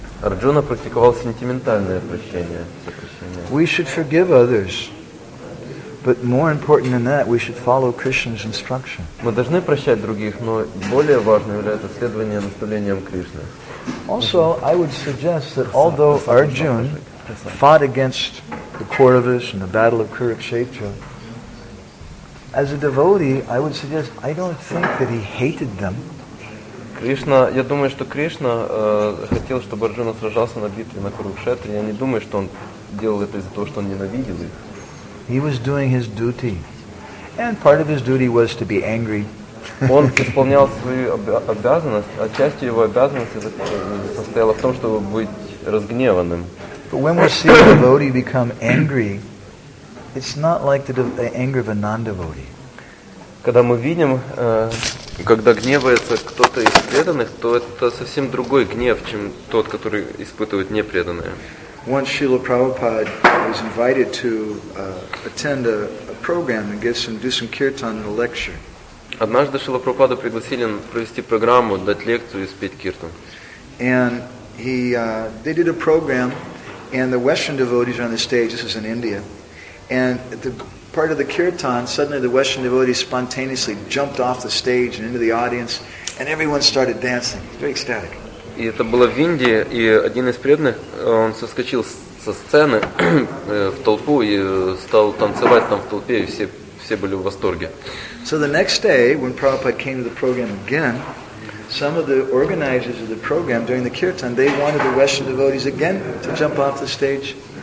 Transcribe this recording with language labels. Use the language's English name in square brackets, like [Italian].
[Russian] Арджуна практиковал сентиментальное прощение. [English] We should forgive others, but more important than that, we should follow Krishna's instruction. [Russian] Мы должны прощать других, но более важным является следование наставлениям Кришны. [English] Also, I would suggest that although Arjuna fought against the Kauravas in the battle of Kurukshetra, as a devotee, I would suggest I don't think that he hated them. [Russian] Кришна, я думаю, что Кришна хотел, чтобы Арджуна сражался на битве на Курукшетре. Я не думаю, что он делал это из-за того, что он ненавидел их. [English] He was doing his duty. And part of his duty was to be angry. [Russian] Он исполнял свою обязанность, а часть его обязанности состояла в том, чтобы быть разгневанным. [English] But when we see a devotee become angry, it's not like the anger of a non-devotee. [Russian] Когда мы видим, когда гневается кто-то из преданных, то это совсем другой гнев, чем тот, который испытывают непреданные. [English] Once Srila Prabhupada was invited to attend a program and get some, do some kirtan and a lecture. [Russian] Однажды Шрила Прабхупада пригласили провести программу, дать лекцию и спеть киртан. [English] And he they did a program, and the Western devotees were on the stage. This was in India, and the part of the kirtan, suddenly the Western devotees spontaneously jumped off the stage and into the audience, and everyone started dancing. Very ecstatic. [Russian] И это было в Индии, и один из преданных, он соскочил со сцены в толпу и стал танцевать там в толпе, и все были в восторге. [English] So the next day, when Prabhupada came to the program again, some of the organizers of the program during the kirtan, they wanted the Western devotees again to jump off the stage.